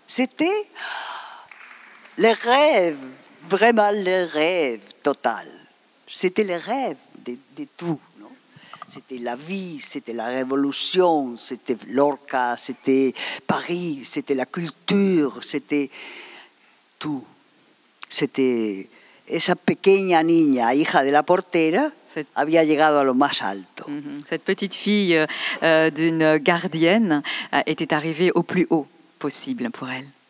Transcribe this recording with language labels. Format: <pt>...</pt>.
<fr>C'était le rêve, vraiment le rêve total. C'était le rêve de tout. C'était la vie, c'était la révolution, c'était Lorca, c'était Paris, c'était la culture, c'était tout. C'était</fr> <es>esa pequeña niña, hija de la portera, había llegado a lo más alto.</es> <fr>Cette petite fille d'une gardienne était arrivée au plus haut possible pour elle.</fr>